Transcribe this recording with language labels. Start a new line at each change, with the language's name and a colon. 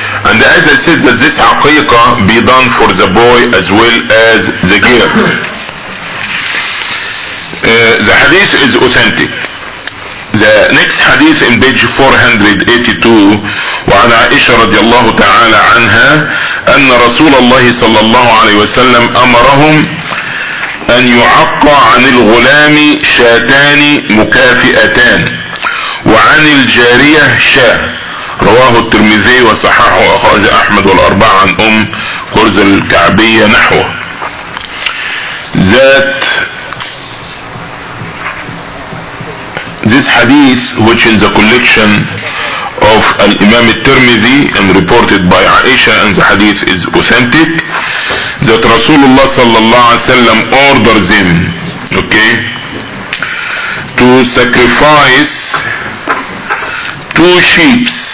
English: And as I said, that this aqiqah be done for the boy as well as the girl. The hadith is authentic. The next hadith in page 482,
Arabic: وعن عائشة رضي الله تعالى عنها أن رسول الله صلى الله عليه وسلم أمرهم أن يعق عن الغلام شاتان مكافئتان وعن الجارية شاة. رواه الترمذي وصححه أخرج أحمد والأربعة عن أم خرز الكعبية نحوه.
English: ذات This hadith, which in the collection of Al-Imam al-Tirmidhi and reported by Aisha, and the hadith is authentic, that Rasulullah sallallahu alayhi wa sallam ordered them, okay, to sacrifice two sheep,